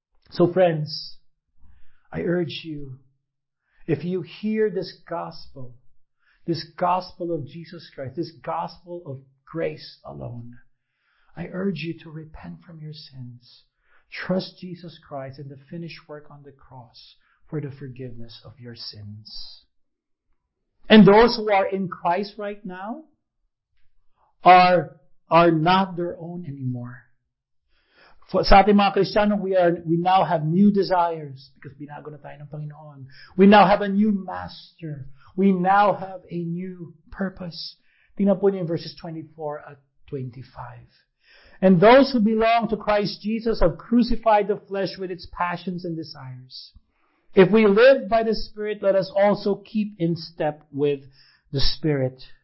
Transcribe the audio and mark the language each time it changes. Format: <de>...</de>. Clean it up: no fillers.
<en>So friends, I urge you, if you hear this gospel of Jesus Christ, this gospel of grace alone, I urge you to repent from your sins. Trust Jesus Christ and the finished work on the cross for the forgiveness of your sins. And those who are in Christ right now are not their own anymore. For</en> <tl>sa ating mga Kristiyano,</tl> <en>we now have new desires because</en> <tl>binago na tayo ng Panginoon.</tl> <en>We now have a new master. We now have a new purpose.</en> <tl>Tingnan po niyo verses 24 at 25.</tl> <en>And those who belong to Christ Jesus have crucified the flesh with its passions and desires. If we live by the Spirit, let us also keep in step with the Spirit.</en>